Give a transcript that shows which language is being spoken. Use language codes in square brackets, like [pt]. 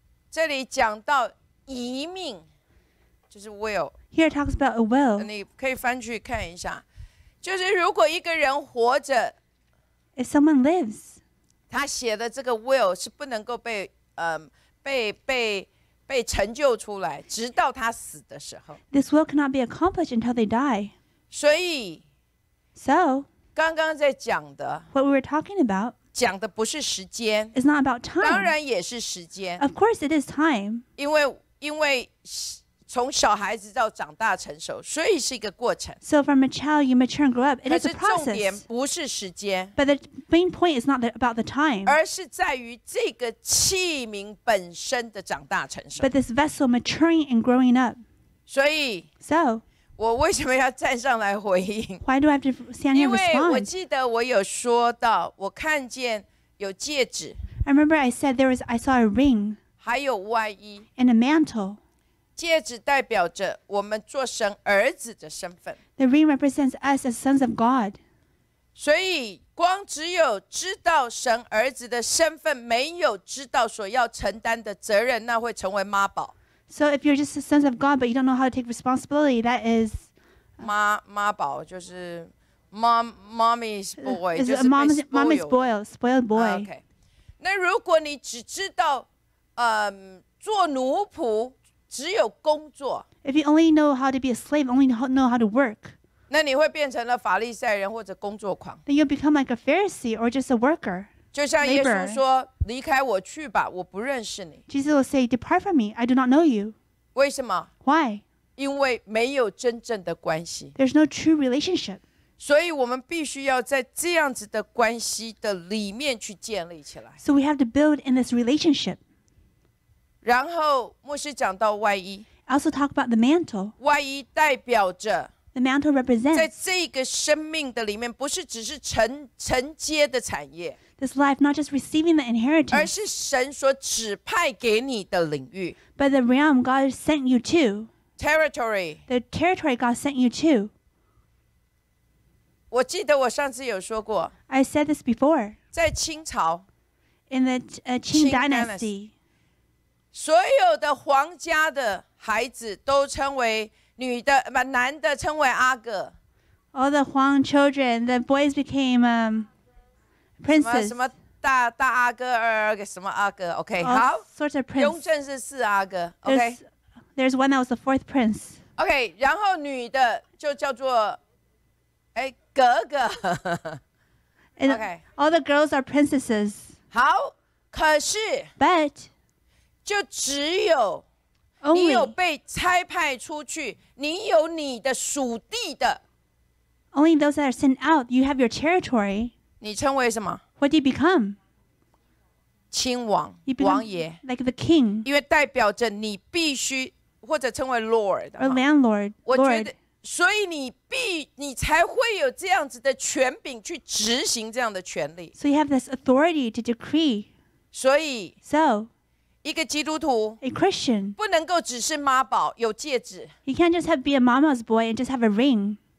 [zh] 这里讲到遗命，就是 will。 [en] Here it talks about a will. [zh] 你可以翻去看一下，就是如果一个人活着 [en] ，If someone lives， [zh] 他写的这个 will 是不能够被被成就出来，直到他死的时候。 [en] This will cannot be accomplished until they die. [zh] 所以 [en] ，so [zh] 刚刚在讲的 [en] ，what we were talking about， [zh] 讲的不是时间 [en] ，it's not about time。 [zh] 当然也是时间 [en] ，of course it is time。 [zh] 因为从小孩子到长大成熟，所以是一个过程。 [en] So from a child you mature and grow up, it is a process. [zh] 可是重点不是时间。 [en] But the main point is not about the time. [zh] 而是在于这个器皿本身的长大成熟。 [en] But this vessel maturing and growing up. [zh] 所以 [en] ，So [zh] 我为什么要站上来回应 [en] ？Why do I have to stand here respond? [zh] 因为我记得我有说到，我看见有戒指。 [en] I remember I said there was I saw a ring. [zh] 还有外衣。 [en] And a mantle. [zh] 戒指代表着我们做神儿子的身份。 [en] The ring represents us as sons of God. [zh] 所以光只有知道神儿子的身份，没有知道所要承担的责任，那会成为妈宝。 [en] So if you're just sons of God, but you don't know how to take responsibility, that is [zh] 妈宝就是 [en] mommy's boy, [zh] 就是 [en] mommy's spoiled boy.、 [zh] 那如果你只知道做奴仆。只有工作。 [en] If you only know how to be a slave, only know how to work. [zh] 那你会变成了法利赛人或者工作狂。 [en] Then you become like a Pharisee or just a worker. [zh] 就像耶稣说，离开我去吧，我不认识你。 [en] Jesus will say, "Depart from me, I do not know you." [zh] 为什么 [en] ？Why? [zh] 因为没有真正的关系。 [en] There's no true relationship. [zh] 所以我们必须要在这样子的关系的里面去建立起来。 [en] So we have to build in this relationship. [zh] 然后牧师讲到外衣 [en] ，also talk about the mantle。 [zh] 外衣代表着 [en] the mantle represents [zh] 在这个生命的里面，不是只是承接的产业 [en] ，this life not just receiving the inheritance， [zh] 而是神所指派给你的领域 [en] ，but the realm God sent you to territory， the territory God sent you to。 [zh] 我记得我上次有说过 [en] ，I said this before， [zh] 在清朝 [en] ，in the Qing Dynasty。 [zh] 所有的皇家的孩子都称为女的，不，男的称为阿哥。 [en] All the Huang children, the boys became princes. [zh] 什么大阿哥、二阿哥、什么阿哥 ？OK， 好。 [en] Sort of prince. [zh] 雍正是四阿哥。OK， [en] there's one that was the fourth prince. [zh] OK， 然后女的就叫做格格。 [en] OK， all the girls are princesses. [zh] 好，可是 [en] but。 [zh] 就只有你有被差派出去，你有你的属地的。 [en] Only those that are sent out, you have your territory. [zh] 你称为什么 [en] ？What do you become? [zh] 亲王，王爷 [en] ，like the king. [zh] 因为代表着你必须或者称为 lord [en] or landlord. [zh] 我觉得，所以你才会有这样子的权柄去执行这样的权利。 [en] So you have this authority to decree. [zh] 所以 [en] ，so. [zh] 一个基督徒 [en] ，a Christian， [zh] 不能够只是妈宝有戒指。 [en] You can't just be a mama's boy and just have a ring.